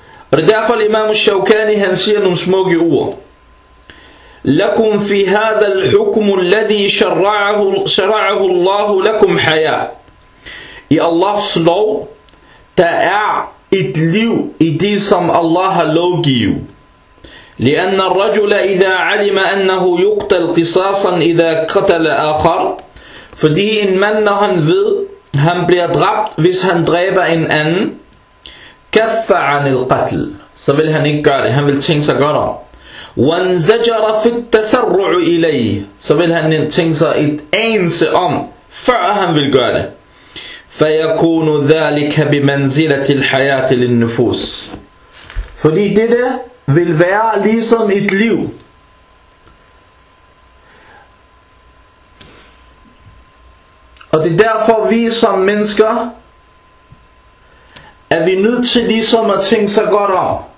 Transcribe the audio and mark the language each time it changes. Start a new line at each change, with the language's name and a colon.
Danish: Og det er derfor, Imam Shawkani, han siger nogle smukke ord.
Arabic: لكم في هذا الحكم الذي شرعه الله لكم حياة.
Danish: I Allahs lov, der er et liv i det, som Allah har lovgivet.
Arabic: لأن الرجل إذا علم أنه يقتل قصاصا إذا قتل آخر.
Danish: Fordi en mand, når han ved, han bliver dræbt, hvis han dræber en anden,
Arabic: كف عن القتل.
Danish: Så vil han ikke gøre det, han vil tænke sig godt om.
Arabic: وانزجر في التسرع إليه.
Danish: Så vil han tænke sig et anelse om, før han vil gøre det.
Arabic: فيكون ذلك بمنزلة الحياة للنفوس.
Danish: Fordi det der vil være ligesom et liv. Og det er derfor vi som mennesker, er vi nødt til ligesom at tænke sig godt om.